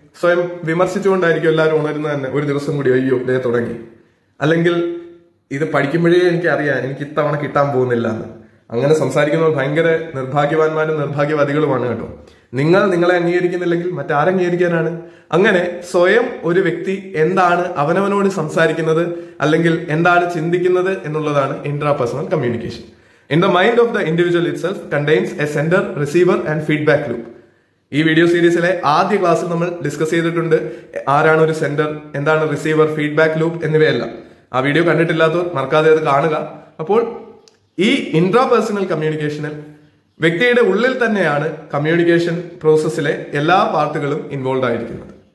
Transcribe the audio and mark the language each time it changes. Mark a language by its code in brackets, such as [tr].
[ml] സ്വയം വിമർശിച്ചുകൊണ്ടായിരിക്കും എല്ലാവരും ഉണരുന്നത് തന്നെ, ഒരു ദിവസം കൂടി അയ്യോ ഇതേ തുടങ്ങി, അല്ലെങ്കിൽ ഇത് പഠിക്കുമ്പോഴേ എനിക്ക് അറിയാം എനിക്ക് ഇത്തവണ കിട്ടാൻ പോകുന്നില്ല എന്ന്. അങ്ങനെ സംസാരിക്കുന്നവർ ഭയങ്കര നിർഭാഗ്യവാന്മാരും നിർഭാഗ്യവാദികളുമാണ് കേട്ടോ. നിങ്ങൾ നിങ്ങളെ അംഗീകരിക്കുന്നില്ലെങ്കിൽ മറ്റാരെ അംഗീകരിക്കാനാണ്? അങ്ങനെ സ്വയം ഒരു വ്യക്തി എന്താണ് അവനവനോട് സംസാരിക്കുന്നത് അല്ലെങ്കിൽ എന്താണ് ചിന്തിക്കുന്നത് എന്നുള്ളതാണ് intrapersonal communication. [en] In the mind of the individual itself contains a sender, receiver and feedback loop. [ml] ഈ വീഡിയോ സീരീസിലെ ആദ്യ ക്ലാസ്സിൽ നമ്മൾ ഡിസ്കസ് ചെയ്തിട്ടുണ്ട് ആരാണ് ഒരു സെൻഡർ, എന്താണ് റിസീവർ, ഫീഡ്ബാക്ക് ലൂപ്പ് എന്നിവയെല്ലാം. ആ വീഡിയോ കണ്ടിട്ടില്ലാത്തവർ മറക്കാതെ അത് കാണുക. അപ്പോൾ ഈ ഇൻട്രാപേഴ്സണൽ കമ്മ്യൂണിക്കേഷനിൽ വ്യക്തിയുടെ ഉള്ളിൽ തന്നെയാണ് കമ്മ്യൂണിക്കേഷൻ പ്രോസസ്സിലെ എല്ലാ പാർട്ടുകളും ഇൻവോൾവ് ആയിരിക്കുന്നത്.